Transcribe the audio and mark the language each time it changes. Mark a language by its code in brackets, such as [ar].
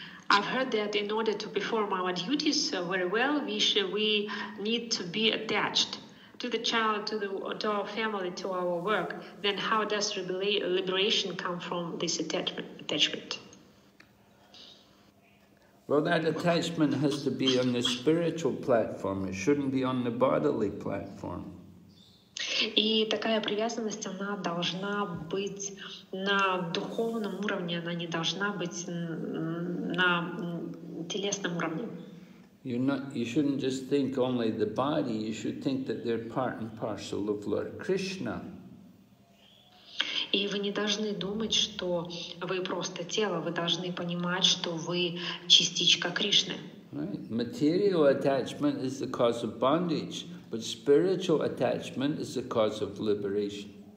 [en] I've heard that in order to perform our duties very well, we need to be attached to the child, to our family, to our work. Then how does liberation come from this attachment? Well, that attachment has to be on the spiritual platform. It shouldn't be on the bodily platform. [ru] И такая привязанность, она должна быть на духовном уровне, она не должна быть на телесном уровне. [en] You shouldn't just think only the body, you should think that they're part and parcel of Lord Krishna. [ru] И вы не должны думать, что вы просто тело, вы должны понимать, что вы частичка Кришны. [en] Right. Material attachment is the cause of bondage, but spiritual attachment is the cause of liberation.